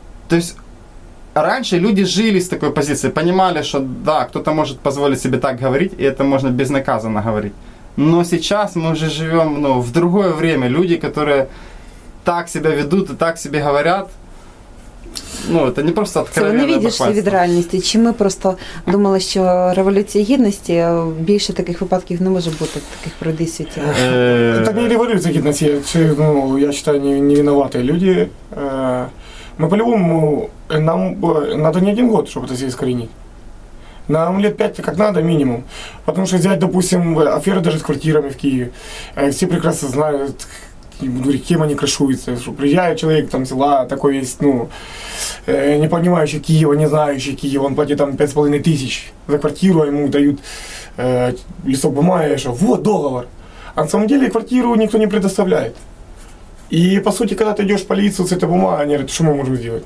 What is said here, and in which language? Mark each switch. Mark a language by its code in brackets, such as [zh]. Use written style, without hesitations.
[ru] То есть раньше люди жили с такой позицией, понимали, что да, кто-то может позволить себе так говорить, и это можно безнаказанно говорить. Но сейчас мы уже живем, ну, в другое время. Люди, которые так себя ведут и так себе говорят, ну, это не просто откровенное бахвальство. [uk] Це не відійшли від реальності. Чи ми просто думали, що революція гідності, більше таких випадків не може бути, таких продисвітів? Це не революція гідності. Це, ну, я вважаю, не винуваті люди. Ми по-любому, нам треба не один год, щоб це іскоренити. Нам лет 5, як треба, мінімум. Тому що взяти, допустим, афери навіть з квартирами в Києві. Всі прекрасно знають, [ru] кем они крышуются, что приезжает человек там села, такой есть, ну, не понимающий Киева, не знающий Киева, он платит там 5500 за квартиру, а ему дают листок бумаги, что вот договор. А на самом деле квартиру никто не предоставляет. И по сути, когда ты идешь в полицию с этой бумагой, они говорят, что мы можем сделать?